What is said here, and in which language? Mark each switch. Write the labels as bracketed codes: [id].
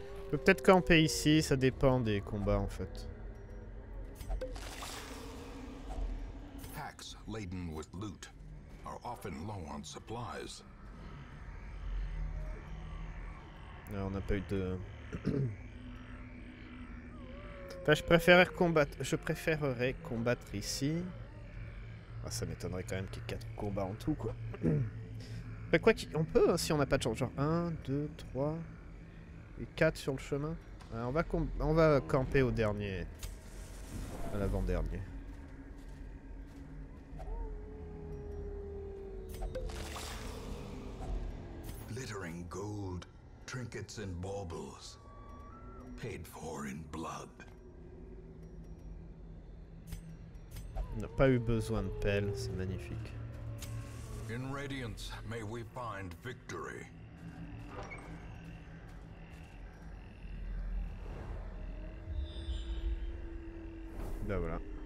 [fr] Peut-être camper ici, ça dépend des combats en fait. [en] Laden with loot are often low on supplies. [fr] Non, on n'a pas eu de. Enfin, je préférerais combattre ici. Enfin, ça m'étonnerait quand même qu'il y ait 4 combats en tout, quoi. Enfin, quoi qu'on peut, hein, si on n'a pas de chance. Genre 1, 2, 3 et 4 sur le chemin. Alors, on va camper au dernier. À l'avant-dernier. [en] Gold, trinkets and baubles, paid for in blood. [fr] N'a pas eu besoin de pelle, c'est magnifique. [en] In radiance, may we find victory. [fr] Ben voilà.